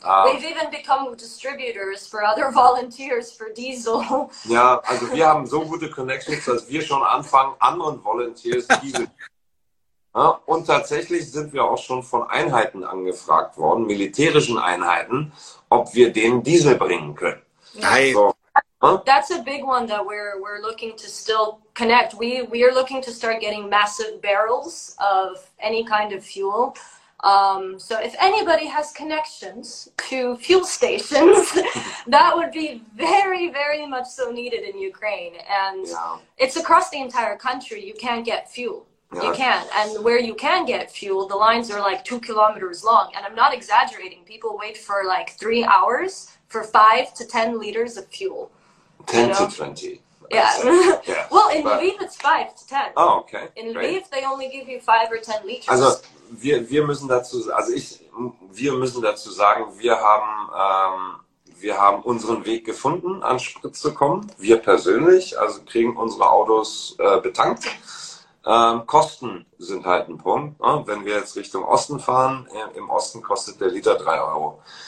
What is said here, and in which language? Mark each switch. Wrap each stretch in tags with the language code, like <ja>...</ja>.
<en>we've even become distributors for other volunteers for Diesel.</en> <de>Ja, also wir haben so gute Connections, dass wir schon anfangen, anderen Volunteers Diesel. Ja, und tatsächlich sind wir auch schon von Einheiten angefragt worden, militärischen Einheiten, ob wir denen Diesel bringen können. Nein. So.</de> <en>That's a big one that we're looking to still connect. We are looking to start getting massive barrels of any kind of fuel. So if anybody has connections to fuel stations, that would be very, very much so needed in Ukraine. And yeah. It's across the entire country. You can't get fuel. Yeah. You can't. And where you can get fuel, the lines are like 2 kilometers long. And I'm not exaggerating. People wait for like 3 hours for 5 to 10 liters of fuel. 10 you know? To 20. Yeah. Well, in Lviv it's 5 to 10. Oh, okay. In Lviv they only give you 5 or 10 liters.</en> <de>Also, wir müssen dazu sagen, wir haben unseren Weg gefunden, an Sprit zu kommen. Wir persönlich, also kriegen unsere Autos betankt. Kosten sind halt ein Punkt. Ne? Wenn wir jetzt Richtung Osten fahren, im Osten kostet der Liter 3 Euro.</de>